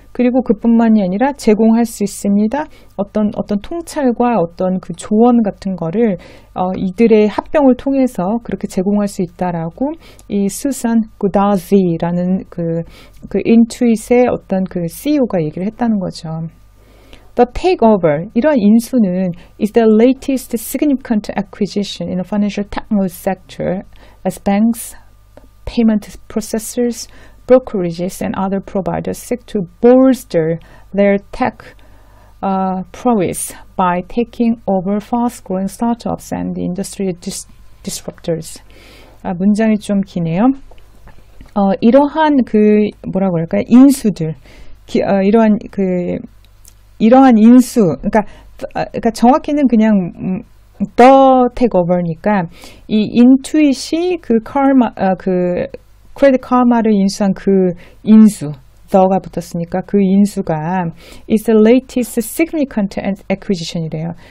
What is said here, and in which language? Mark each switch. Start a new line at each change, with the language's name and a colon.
Korean: 그리고 그뿐만이 아니라 제공할 수 있습니다. 어떤 통찰과 어떤 그 조언 같은 거를 이들의 합병을 통해서 그렇게 제공할 수 있다라고 이 수산 구다지라는 그 인투잇의 어떤 그 CEO가 얘기를 했다는 거죠.
English: The takeover,
Korean: 이런 인수는
English: is the latest significant acquisition in the financial technology sector as banks, payment processors, brokerages and other providers seek to bolster their tech prowess by taking over fast-growing startups and industry disruptors.
Korean: 아, 문장이 좀 기네요. 이러한 그 뭐라고 할까요? 인수들, 이러한 인수, 그러니까 정확히는 그냥 the takeover니까 이 인투잇이 그 카르마 아, 그 크레딧 카마를 인수한 그 인수, the가 붙었으니까 그 인수가
English: is the latest significant acquisition
Korean: 이래요.